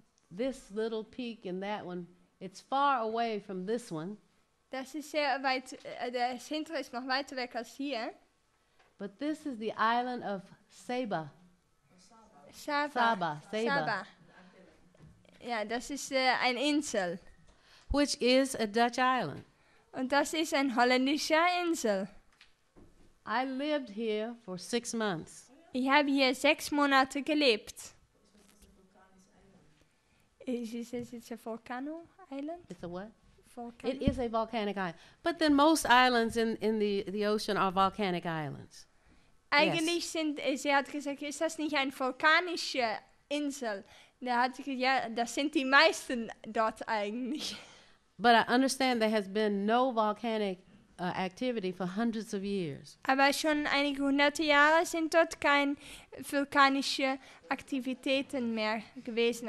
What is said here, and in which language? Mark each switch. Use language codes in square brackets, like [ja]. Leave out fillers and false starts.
[en] This little peak and that one, it's far away from this one. [de] Das ist sehr weit, der Center ist noch weiter weg als hier. [en] But this is the island of Saba. [de] Saba. Ja, das ist ein Insel. [en] Which is a Dutch island. [de] Und das ist ein holländischer Insel. [en] I lived here for 6 months. [de] Ich habe hier 6 Monate gelebt. [en] Is it a volcano island? It's a what? Volcano. It is a volcanic island. But then most islands in the ocean are volcanic islands. [de] Eigentlich [en] yes. [de] Sind, sie hat gesagt, ist das nicht eine vulkanische Insel? Da hat sie gesagt, ja, das sind die meisten dort eigentlich. [en] But I understand there has been no volcanic activity for hundreds of years. [de] Aber schon einige hunderte Jahre sind dort keine vulkanische Aktivitäten mehr gewesen.